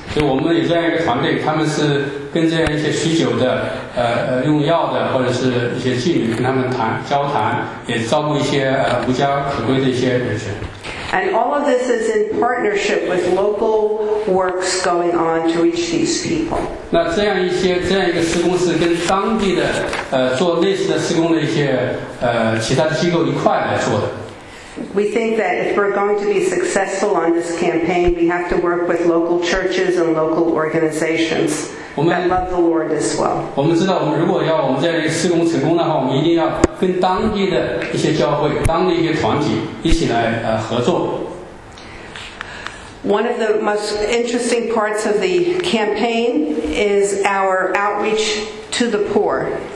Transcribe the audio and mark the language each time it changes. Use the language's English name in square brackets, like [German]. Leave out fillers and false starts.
[Chinese] 就我们有这样一个团队，他们是跟这样一些酗酒的、用药的或者是一些妓女跟他们谈交谈，也照顾一些无家可归的一些人群。 [English] And all of this is in partnership with local works going on to reach these people. [Chinese] 那这样一些这样一个施工是跟当地的做类似的施工的一些其他的机构一块来做的。 [English] We think that if we're going to be successful on this campaign, we have to work with local churches and local organizations that love the Lord as well. [Chinese] 我们知道，我们如果要我们在这个施工成功的话，我们一定要跟当地的一些教会、当地一些团体一起来合作。 [English] One of the most interesting parts of the campaign is our outreach to the poor.